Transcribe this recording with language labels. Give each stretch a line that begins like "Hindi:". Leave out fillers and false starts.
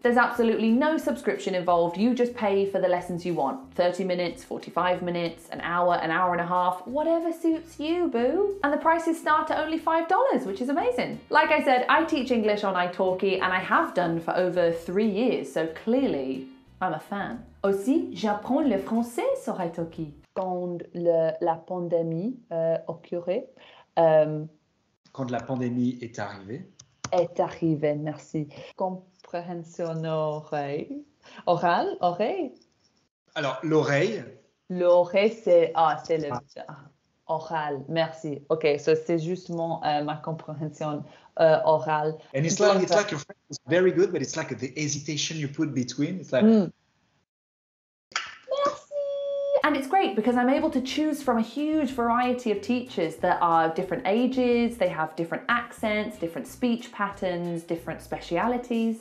English: There's absolutely no subscription involved. You just pay for the lessons you want. 30 minutes, 45 minutes, an hour and a half, whatever suits you, boo. And the prices start at only $5, which is amazing. Like I said, I teach English on italki and I have done for over 3 years. So clearly I'm a fan.
French: Aussi, j'apprends le français sur italki. Quand la pandémie occurrait. Quand la pandémie est arrivée. Est arrivée, merci. Compréhension oreille. Orale, oreille. Alors, l'oreille. L'oreille, c'est... Ah, c'est le... Ah. Orale, merci. OK, so c'est justement ma compréhension orale.
English: And it's like, your French is very good, but it's like the hesitation you put between. It's like...
French: Merci!
English: And it's great because I'm able to choose from a huge variety of teachers that are different ages, they have different accents, different speech patterns, different specialities.